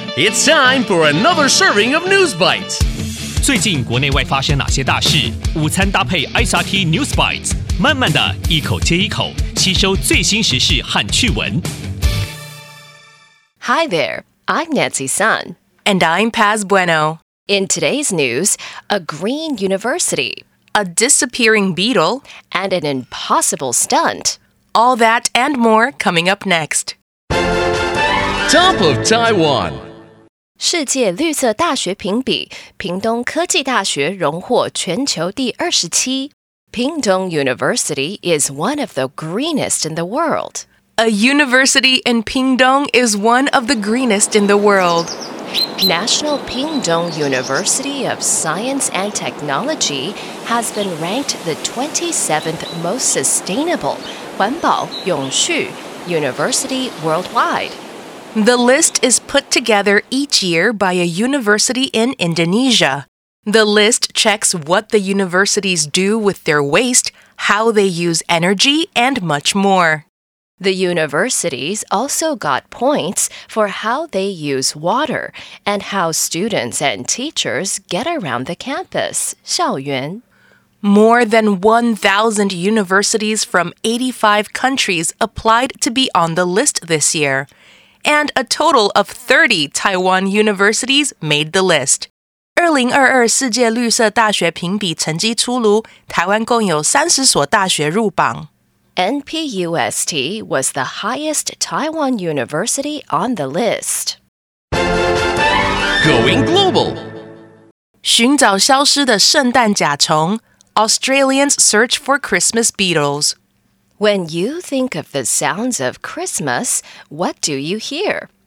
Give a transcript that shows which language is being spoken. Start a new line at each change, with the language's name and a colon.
English: It's time for another serving of News Bites.
Chinese: 最近国内外发生哪些大事？午餐搭配 SRT News Bites， 慢慢的一口接一口，吸收最新时事和趣闻。
English: Hi there, I'm Nancy Sun. And I'm Paz Bueno. In today's news, a green university, a disappearing beetle, and an impossible stunt. All that and more coming up next. Top of Taiwan.
Chinese: 世界绿色大学评比，屏东科技大学荣获全球第27。
English: Pingdong University is one of the greenest in the world. A university in Pingdong is one of the greenest in the world. National Pingdong University of Science and Technology has been ranked the 27th most sustainable,
Chinese: 环保永续
English: university worldwide. The list is put together each year by a university in Indonesia. The list checks what the universities do with their waste, how they use energy, and much more. The universities also got points for how they use water and how students and teachers get around the campus.
Chinese: 校园
English: More than 1,000 universities from 85 countries applied to be on the list this year. And a total of 30 Taiwan universities made the list.
Chinese: 2022世界绿色大学评比成绩出炉，台湾共有30所大学入榜。
English: NPUST was the highest Taiwan university on the list. Going global.
Chinese: 寻找消失的圣诞甲虫
English: Australians search for Christmas beetles. When you think of the sounds of Christmas, what do you hear?